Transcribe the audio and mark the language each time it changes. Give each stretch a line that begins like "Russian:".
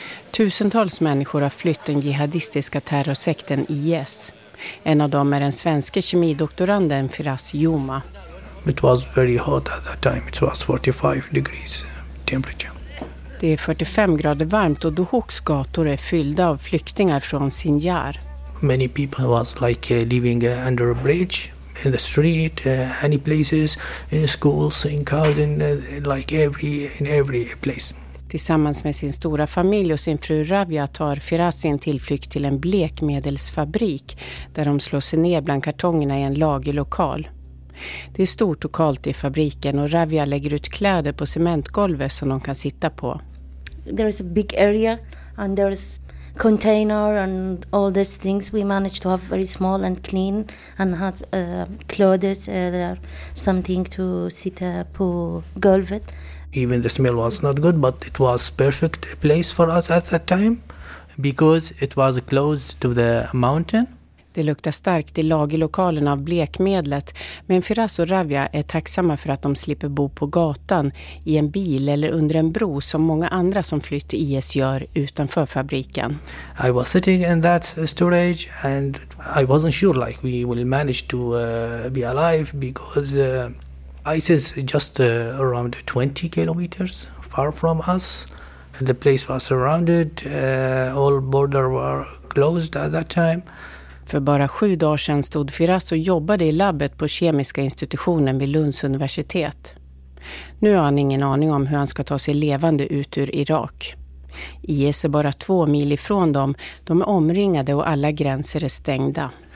Swedish: Tusentals människor har flytt den jihadistiska terrorsekten IS. En av dem är den svenska kemidoktoranden Firas Yuma.
English: It was very hot at that time. It was 45 degrees temperature.
Swedish: Det är 45 grader varmt och Duhoks gator är fyllda av flyktingar från Sinjar.
English: Many people was like living under a bridge. In the street, any places, in schools, in garden, like in every place.
Swedish: Tillsammans med sin stora familj och sin fru Rabia tar Firas sin tillflykt till en blekmedelsfabrik där de slår sig ner bland kartongerna i en lagerlokal. Det är stort och kallt i fabriken och Rabia lägger ut kläder på cementgolvet som de kan sitta på.
English: There is a big area and there's container and all these things. We managed to have very small and clean and had clothes or something to sit
Swedish: på golvet.
English: Even the smell was not good, but it was perfect place for us at that time because it was close to the mountain.
Swedish: Det luktar starkt i lagerlokalen av blekmedlet, men Firas och Rabia är tacksamma för att de slipper bo på gatan, i en bil eller under en bro som många andra som flytt IS gör utanför fabriken.
English: I was sitting in that storage and I wasn't sure like we will manage to be alive because ISIS just around 20 kilometers far from us. The place was surrounded, all border were closed at that time.
Swedish: För bara 7 dagar sedan stod Firas och jobbade i labbet på kemiska institutionen vid Lunds universitet. Nu har han ingen aning om hur han ska ta sig levande ut ur Irak. IS är bara 2 mil ifrån dem. De är omringade och alla gränser är stängda.